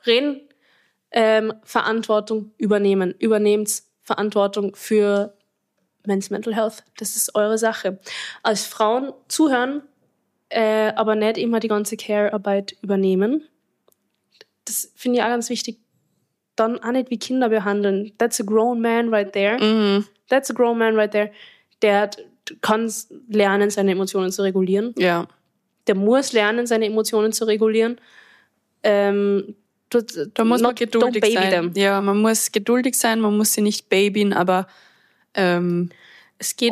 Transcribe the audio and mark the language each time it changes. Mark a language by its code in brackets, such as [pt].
[de] Reden, Verantwortung übernehmen. Übernehmt Verantwortung für Men's Mental Health. Das ist eure Sache. Als Frauen zuhören, aber nicht immer die ganze Care-Arbeit übernehmen. Das finde ich auch ganz wichtig. Dann auch nicht wie Kinder behandeln. [en] That's a grown man right there. Mm. That's a grown man right there. [de] Der kann lernen, seine Emotionen zu regulieren. Ja. Der muss lernen, seine Emotionen zu regulieren. Da muss man geduldig sein. Them. Ja, man muss geduldig sein, man muss sie nicht babyen, aber es geht